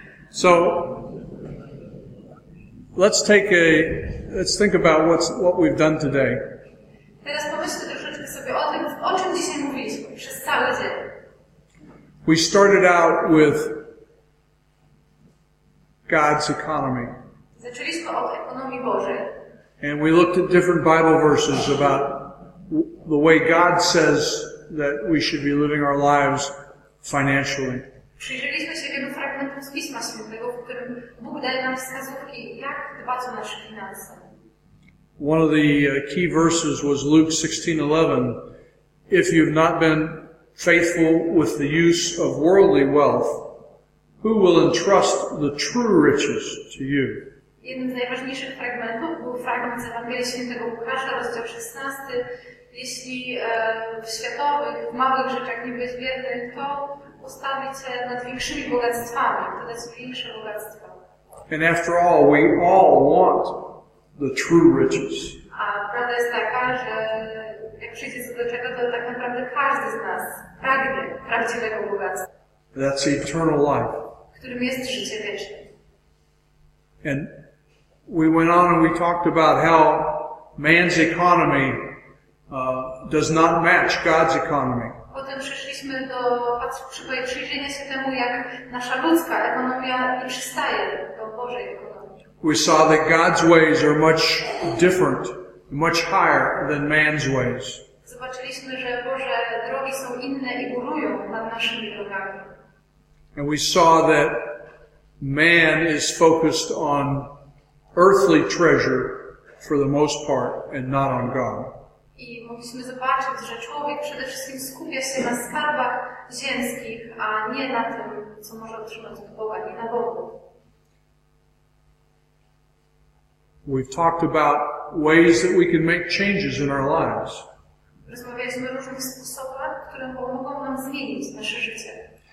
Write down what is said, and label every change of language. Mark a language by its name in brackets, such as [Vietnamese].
[English] So let's take a let's think about what we've done today. [Polish] Teraz pomyślmy troszeczkę sobie o tym, o czym dzisiaj mówiliśmy przez cały dzień. [English] We started out with God's economy. [Polish] Zaczęliśmy od ekonomii Bożej. [English] And we looked at different Bible verses about the way God says that we should be living our lives financially. [Polish] Przyjrzeliśmy się wielu fragmentom z Pisma Świętego, w którym Bóg daje nam wskazówki, jak dbać o nasze finanse. [English] One of the key verses was Luke 16:11. If you've not been faithful with the use of worldly wealth, who will entrust the true riches to you? [Polish] Jeden z najważniejszych fragmentów był fragment z Ewangelii Świętego Łukasza, rozdział 16. Jeśli w światowych, w małych rzeczach nie byłeś wierny, to postawić się nad większymi bogactwami, to dać większe bogactwa. [English] And after all, we all want the true riches. [Polish] A prawda jest taka, że jak przyjdzie co do czego, to tak naprawdę każdy z nas pragnie prawdziwego bogactwa. [English] That's eternal life. [Polish] Którym jest życie wieczne. [English] And we went on and we talked about how man's economy does not match God's economy. [Polish] Potem przeszliśmy do przyjrzenia się temu, jak nasza ludzka ekonomia nie przystaje do Bożej ekonomii. [English] We saw that God's ways are much different, much higher than man's ways. [Polish] Zobaczyliśmy, że Boże drogi są inne i górują nad naszymi drogami. [English] And we saw that man is focused on earthly treasure for the most part and not on God. [Polish] I mogliśmy zobaczyć, że człowiek przede wszystkim skupia się na skarbach ziemskich, a nie na tym, co może otrzymać od Boga, nie na Bogu. [English] We've talked about ways that we can make changes in our lives. [Polish] Rozmawialiśmy o różnych sposobach, które pomogą nam zmienić nasze życie.